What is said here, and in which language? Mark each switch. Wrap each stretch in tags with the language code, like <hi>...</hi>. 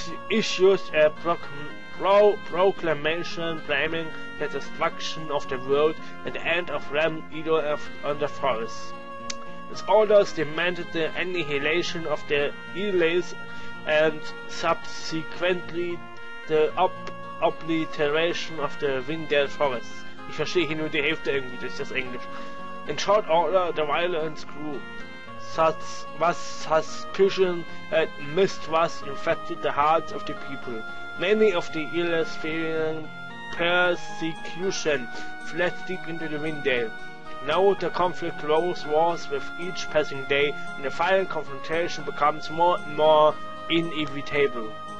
<en>Issued a proclamation blaming the destruction of the world and the end of Ram Edo on the forest. His orders demanded the annihilation of the Elays and subsequently the obliteration of the Vindel Forest.</en> <de>Ich verstehe hier nur die Hälfte irgendwie durch das Englisch.</de> <en>In short order, the violence grew. Was suspicion and mistrust infected the hearts of the people. Many of the illest fearing persecution fled deep into the Vindel. Now the conflict grows worse with each passing day, and the final confrontation becomes more and more inevitable.</en>